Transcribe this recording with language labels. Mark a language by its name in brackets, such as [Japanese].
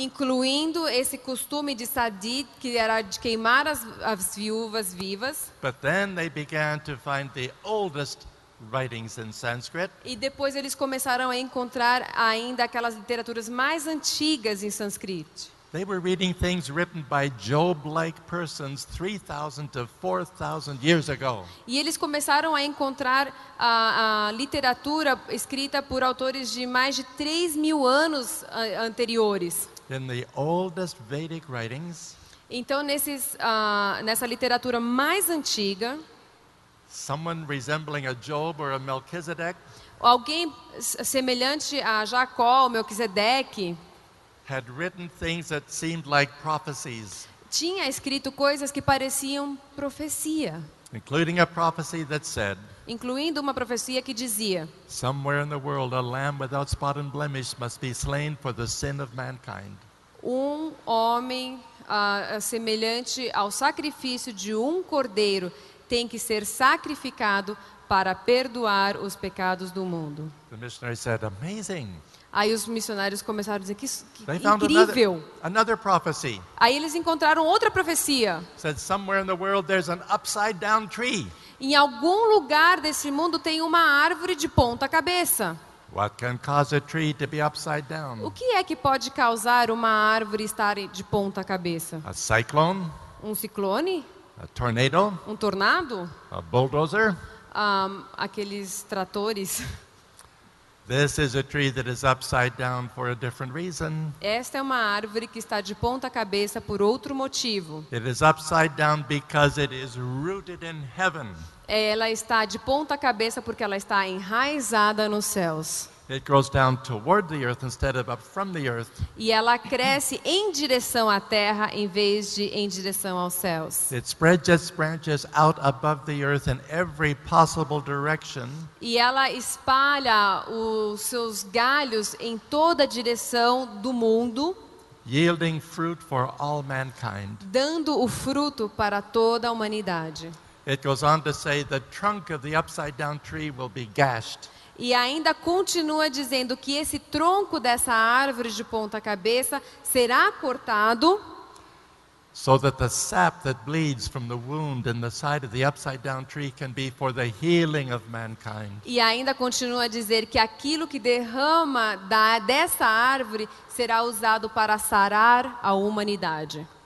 [Portuguese] Incluindo esse costume de sati, que era de queimar as viúvas vivas. [English] But then they began to find the oldest writings in Sanskrit. [Portuguese] E depois eles começaram a encontrar ainda aquelas literaturas mais antigas em sânscrito. [English] They were reading things written by Job-like persons 3,000 to 4,000 years ago. [Portuguese] E eles começaram a encontrar a literatura escrita por autores de mais de 3,000 anos anteriores. [English] In the oldest Vedic writings. [Portuguese] Então nesses nessa literatura mais antiga. [English] Someone resembling a Job or a Melchizedek. [Portuguese] Alguém semelhante a Jacó ou Melquisedeque. [English] Had written things that seemed like prophecies. [Portuguese] Tinha escrito coisas que pareciam profecia. [English] Including a prophecy that said. [Portuguese] Incluindo uma profecia que dizia. [English] Somewhere in the world, a lamb without spot and blemish must be slain for the sin of mankind. [Portuguese] Um homem semelhante ao sacrifício de um cordeiro tem que ser sacrificado para perdoar os pecados do mundo. [English] The missionary said, amazing. [Portuguese] Aí os missionários começaram a dizer, que incrível. [English] Another prophecy. [Portuguese] Aí eles encontraram outra profecia. [English] Said, somewhere in the world there's an upside down tree. [Portuguese] Em algum lugar desse mundo tem uma árvore de ponta cabeça. [English] What can cause a tree to be upside down? [Portuguese] O que é que pode causar uma árvore estar de ponta cabeça? [English] A cyclone? [Portuguese] Um ciclone? [English] A tornado? [Portuguese] Um tornado? [English] A bulldozer? [Portuguese] Aqueles tratores? [English] This is a tree that is upside down for a different reason. [Portuguese] Esta é uma árvore que está de ponta cabeça por outro motivo. [English] It is upside down because it is rooted in heaven. [Portuguese] Ela está de ponta cabeça porque ela está enraizada nos céus. [English] It grows down toward the earth instead of up from the earth. [Portuguese] E ela cresce em direção à terra em vez de em direção aos céus. [English] It spreads its branches out above the earth in every possible direction. [Portuguese] E ela espalha os seus galhos em toda a direção do mundo. [English] Yielding fruit for all mankind. [Portuguese] Dando o fruto para toda a humanidade. [English] It goes on to say the trunk of the upside down tree will be gashed. [Portuguese] E ainda continua dizendo que esse tronco dessa árvore de ponta cabeça será cortado. [English] So that the sap that bleeds from the wound in the side of the upside down tree can be for the healing of mankind. [Portuguese] E ainda continua a dizer que aquilo que derrama dessa árvore será usado para sarar a humanidade.